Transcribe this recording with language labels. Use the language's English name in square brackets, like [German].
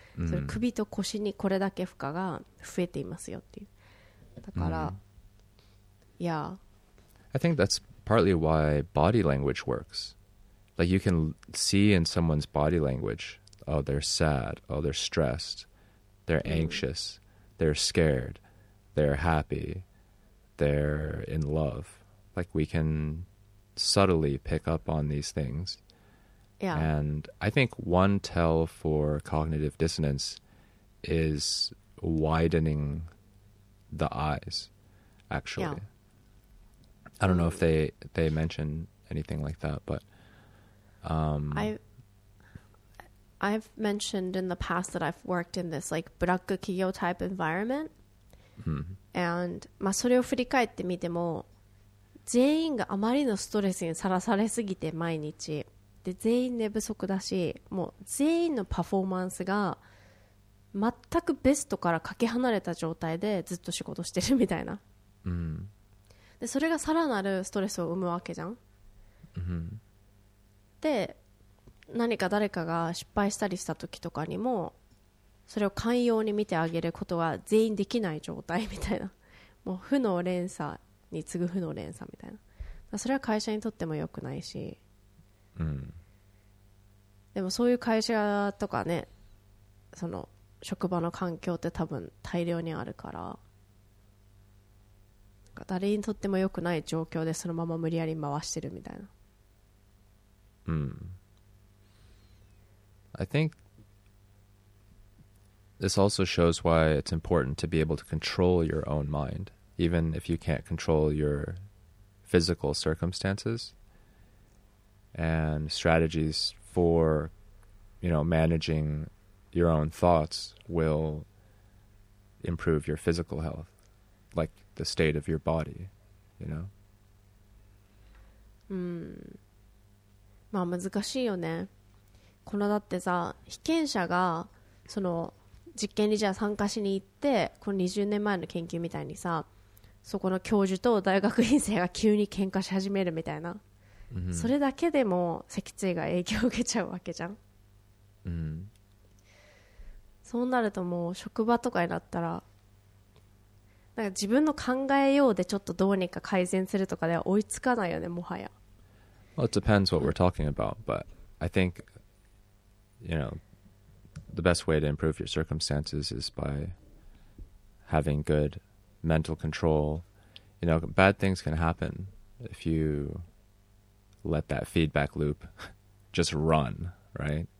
[Japanese] それ首と腰にこれだけ負荷が増えていますよっていう。だから、 [English] I think that's partly why body language works. Like you can see in someone's body language, oh they're sad, oh they're stressed, they're anxious, they're scared, they're happy, they're in love. Like we can subtly pick up on these things. Yeah. And I think one tell for cognitive dissonance is widening the eyes, actually. Yeah. I don't know if they mention anything like that, but I've mentioned in the past that I've worked in this like ブラック企業 type environment. [Japanese] And まあそれを振り返ってみても、全員があまりのストレスにさらされすぎて毎日で全員寝不足だし、もう全員のパフォーマンスが全くベストからかけ離れた状態でずっと仕事してるみたいな。でそれがさらなるストレスを生むわけじゃん、 mm-hmm. で何か誰かが失敗したりした時とかにもそれを寛容に見てあげることは全員できない状態みたいな、もう負の連鎖に次ぐ負の連鎖みたいな、それは会社にとっても良くないし、 mm-hmm. でもそういう会社とかね、その職場の環境って多分大量にあるから、誰にとっても良くない状況でそのまま無理やり回してるみたいな。うん。 [English] I think this also shows why it's important to be able to control your own mind, even if you can't control your physical circumstances and strategies for, you know, managing your own thoughts will improve your physical health, like. The state of your body, you know? [Japanese] まあ難しいよね。このだってさ、被験者がその実験にじゃあ参加しに行って、この20年前の研究みたいにさ、そこの教授と大学院生が急に喧嘩し始めるみたいな、mm-hmm. それだけでも脊椎が影響を受けちゃうわけじゃん。 Mm-hmm. そうなるともう職場とかになったら、なんか自分の考えようでちょっとどうにか改善するとかでは追いつかないよね、もはや。 [English] Well, it depends what we're talking about, but I think, you know, the best way to improve your circumstances is by having good mental control. You know, bad things can happen if you let that feedback loop just run, right?